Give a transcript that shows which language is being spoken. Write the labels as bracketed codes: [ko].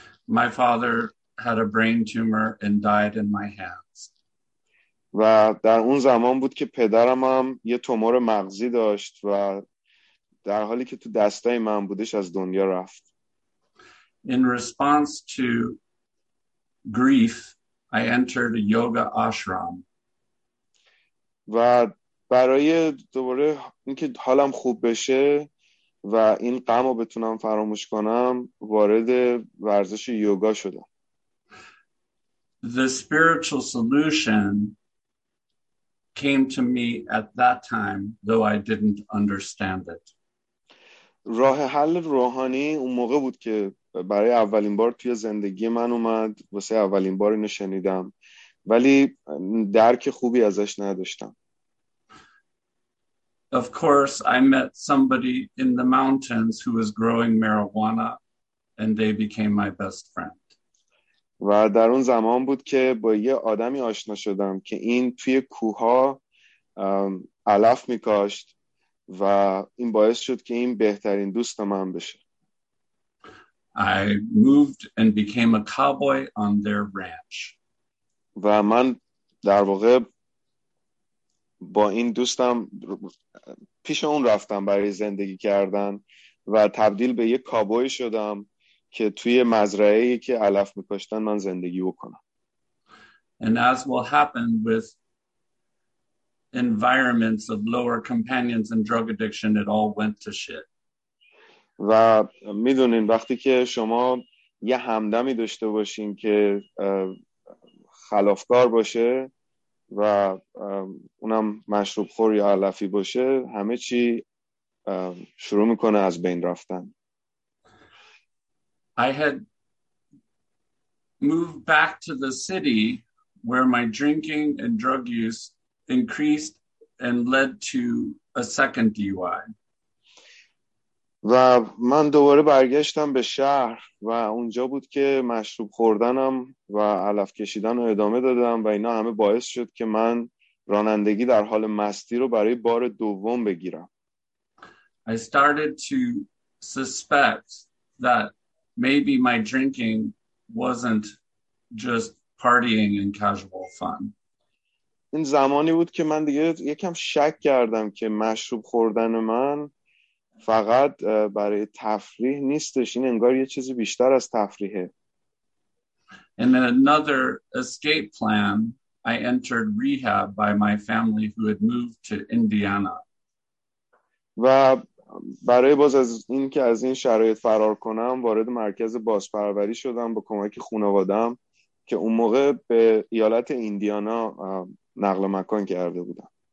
[en] My father had a brain tumor and died in my hands. [fa] و در اون زمان بود که پدرم هم یه تومور مغزی داشت و در حالی که تو دستای من بودش از دنیا رفت. [en] In response to grief, I entered a yoga ashram. [fa] و برای دوباره اینکه حالم خوب بشه و این غم رو بتونم فراموش کنم وارد ورزش یوگا شدم. [en] The spiritual solution came to me at that time, though I didn't understand it. [fa] راه حل روحانی اون موقع بود که برای اولین بار توی زندگی من اومد، واسه اولین بار اینو شنیدم، ولی درک خوبی ازش نداشتم. [en] Of course, I met somebody in the mountains who was growing marijuana, and they became my best friend. [fa] و در اون زمان بود که با یه آدمی آشنا شدم که این توی کوها علف می‌کاشت و این باعث شد که این بهترین دوست من بشه. [en] I moved and became a cowboy on their ranch. [fa] و من در واقع با این دوستم پیش اون رفتم برای زندگی کردن و تبدیل به یه کابوی شدم که توی مزرعه‌ای که علف می‌کاشتن من زندگی بکنم. [en] And as will happen with environments of lower companions and drug addiction, it all went to shit. [fa] و می‌دونین وقتی که شما یه همدمی داشته باشین که خلافکار باشه و اونم مشروب خور یا علفی باشه، همه چی شروع می‌کنه از بین رفتن. [en] I had moved back to the city where my drinking and drug use increased and led to a second DUI. [fa] و من دوباره برگشتم به شهر و اونجا بود که مشروب خوردنم و علف کشیدن رو ادامه دادم و اینا همه باعث شد که من رانندگی در حال مستی رو برای بار دوم بگیرم. [en] I started to suspect that maybe my drinking wasn't just partying and casual fun. [fa] این زمانی بود که من دیگه یکم شک کردم که مشروب خوردن من فقط برای تفریح نیستش، این انگار یه چیزی بیشتر از تفریحه. [en] And then another escape plan, I entered rehab by my family who had moved to Indiana. [fa] و برای باز از این که از این شرایط فرار کنم وارد مرکز بازپروری شدم با کمک خانواده‌ام که اون موقع به ایالت ایندیانا نقل مکان کرده بودم.